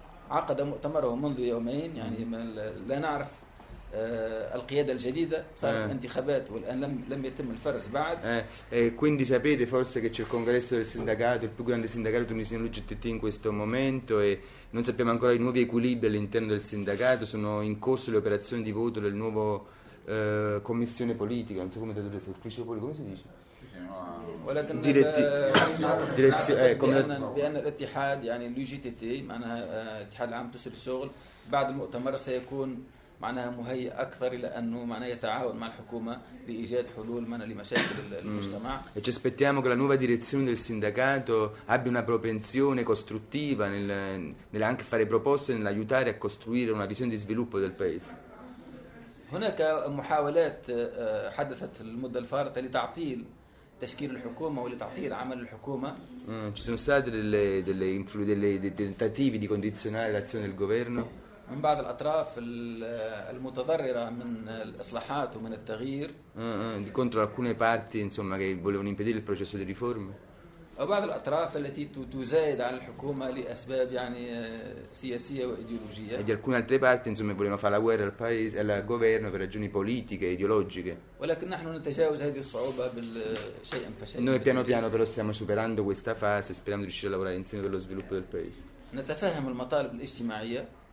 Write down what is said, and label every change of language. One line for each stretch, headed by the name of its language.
Arabic: عقد مؤتمره منذ يومين يعني لا نعرف القيادة الجديدة صارت انتخابات والآن لم يتم الفرز بعد.
Italian: Quindi sapete forse che c'è il congresso del sindacato il più grande sindacato tunisino l'UGTT in questo momento e non sappiamo ancora i nuovi equilibri all'interno del sindacato sono in corso le operazioni di voto del nuovo commissione politica non so come tradurre ufficio politico come si dice.
Arabic: ولكن بأن الاتحاد يعني UGTT معناها الاتحاد العام التونسي للشغل بعد المؤتمر سيكون معناها مهيئ أكثر لأنه معناها يتعاون مع الحكومة لإيجاد حلول معناها لمشاكل المجتمع.
Italian: E ci aspettiamo che la nuova direzione del sindacato abbia una propensione costruttiva nel anche fare proposte nell'aiutare a costruire una visione di sviluppo del paese.
Arabic: هناك محاولات حدثت المدة الفارطة لتعطيل تشكيل الحكومة ولتعطيل عمل الحكومة.
Italian: ci sono state delle delle tentativi di condizionare l'azione del governo.
Arabic: من بعض الأطراف المتضررة من الإصلاحات ومن التغيير.
Italian: di contro alcune parti insomma che volevano impedire il processo di riforme.
Arabic: وبعض الأطراف التي تزايد على الحكومة لأسباب يعني سياسية وإيديولوجية.
Italian: e di alcune altre parti insomma volevano fare la guerra al paese al governo per ragioni politiche e ideologiche.
Arabic: ولكن نحن نتجاوز هذه الصعوبة بالشيء فشيء.
Italian: noi piano piano però stiamo superando questa fase sperando di riuscire a lavorare insieme per lo sviluppo del paese.
Arabic: نتفهم المطالب الاجتماعية.